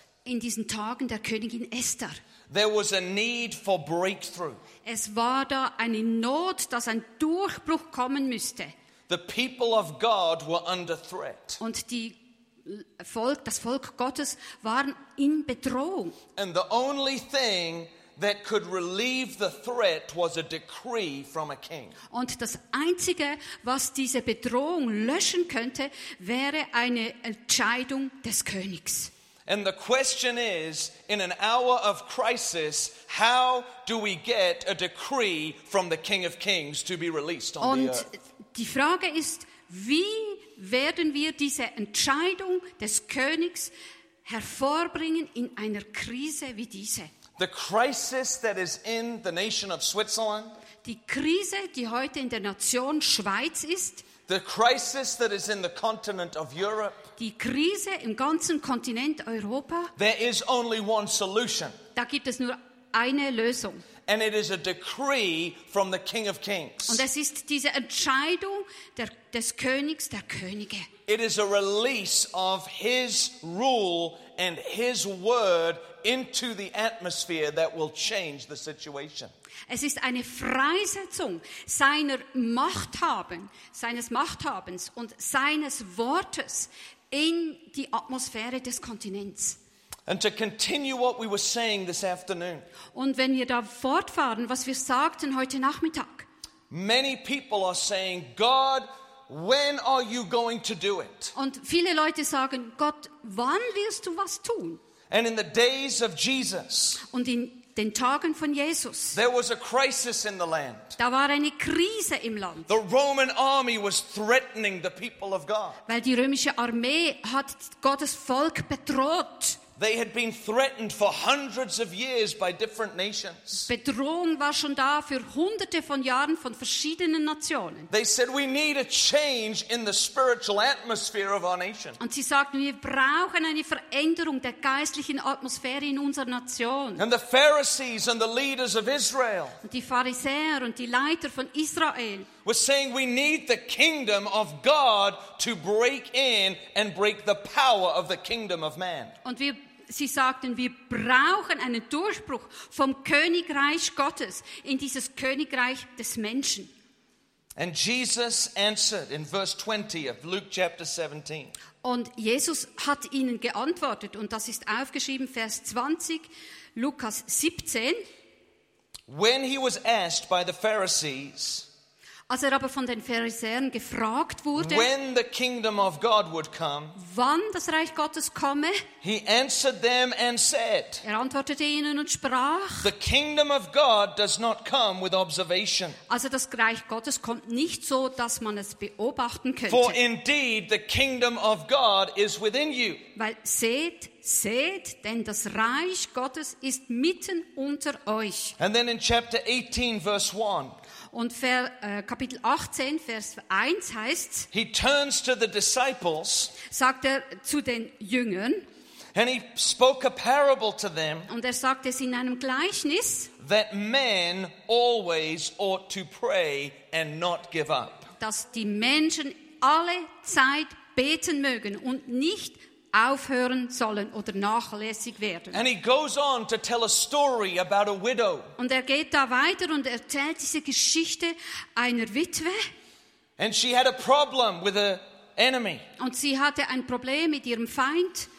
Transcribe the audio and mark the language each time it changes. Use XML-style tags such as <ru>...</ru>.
<de>In diesen Tagen der Königin Esther.</de> <en>There was a need for breakthrough.</en> <de>Es war da eine Not, dass ein Durchbruch kommen müsste.</de> <en>The people of God were under threat.</en> <de>Und die Volk, das Volk Gottes waren in Bedrohung.</de> <en>And the only thing that could relieve the threat was a decree from a king.</en> <de>Und das einzige, was diese Bedrohung löschen könnte, wäre eine Entscheidung des Königs.</de> <en>And the question is, in an hour of crisis, how do we get a decree from the King of Kings to be released on</en> <de>Und</de> <en>the earth?</en> <de>Die Frage ist, wie werden wir diese Entscheidung des Königs hervorbringen in einer Krise wie diese?</de> <en>The crisis that is in the nation of Switzerland.</en> <de>Die Krise, die heute in der Nation Schweiz ist.</de> <en>The crisis that is in the continent of Europe.</en> <de>Die Krise im ganzen Kontinent Europa.</de> <en>There is only one solution.</en> <de>Da gibt es nur eine Lösung.</de> <en>And it is a decree from the King of Kings.</en> <de>Und es ist diese Entscheidung des Königs der Könige.</de> <en>It is a release of his rule and his word into the atmosphere that will change the situation.</en> <de>Es ist eine Freisetzung seiner Machthaben, seines Machthabens und seines Wortes in die Atmosphäre des Kontinents.</de> <en>And to continue what we were saying this afternoon.</en> <de>Und wenn wir da fortfahren, was wir sagten heute Nachmittag.</de> <en>Many people are saying, God, when are you going to do it?</en> <de>Und viele Leute sagen, Gott, wann wirst du was tun?</de> <en>And in the days of Jesus.</en> <de>Und in den Tagen von Jesus.</de> <en>There was a crisis in the land.</en> <de>Da war eine Krise im Land.</de> <en>The Roman army was threatening the people of God.</en> <de>Weil die römische Armee hat Gottes Volk bedroht.</de> <en>They had been threatened for hundreds of years by different nations.</en> <de>Bedrohung war schon da für hunderte von Jahren von verschiedenen Nationen.</de> <en>They said we need a change in the spiritual atmosphere of our nation.</en> <de>Und sie sagten, wir brauchen eine Veränderung der geistlichen Atmosphäre in unserer Nation.</de> <en>And the Pharisees and the leaders of Israel.</en> <de>Und die Pharisäer und die Leiter von Israel.</de> <en>We're saying we need the kingdom of God to break in and break the power of the kingdom of man.</en> <de>Und wir, sie sagten, wir brauchen einen Durchbruch vom Königreich Gottes in dieses Königreich des Menschen.</de> <en>And Jesus answered in verse 20 of Luke chapter 17.</en> <de>Und Jesus hat ihnen geantwortet, und das ist aufgeschrieben, Vers 20, Lukas 17.</de> <en>When he was asked by the Pharisees,</en> <de>als er aber von den Pharisäern gefragt wurde,</de> <en>when the kingdom of God would come,</en> <de>wann das Reich Gottes komme,</de> <en>he answered them and said,</en> <de>er antwortete ihnen und sprach,</de> <en>the kingdom of God does not come with observation.</en> <de>Also das Reich Gottes kommt nicht so, dass man es beobachten könnte.</de> <en>For indeed the kingdom of God is within you.</en> <de>Weil seht, seht, denn das Reich Gottes ist mitten unter euch.</de> <en>And then in chapter 18, verse 1,</en> <de>und Kapitel 18, Vers 1 heißt,</de> <en>he turns to the disciples,</en> <de>sagt er zu den Jüngern,</de> <en>and he spoke a parable to them,</en> <de>und er sagt es in einem Gleichnis,</de> <en>that men always ought to pray and not give up.</en> <de>Dass die Menschen alle Zeit beten mögen und nicht aufhören sollen oder nachlässig werden.</de> <en>And he goes on to tell a story about a widow.</en> <de>Und er geht da weiter und erzählt diese Geschichte einer Witwe.</de> <en>And she had a problem with her enemy.</en> <de>Und sie hatte ein Problem mit ihrem Feind.</de>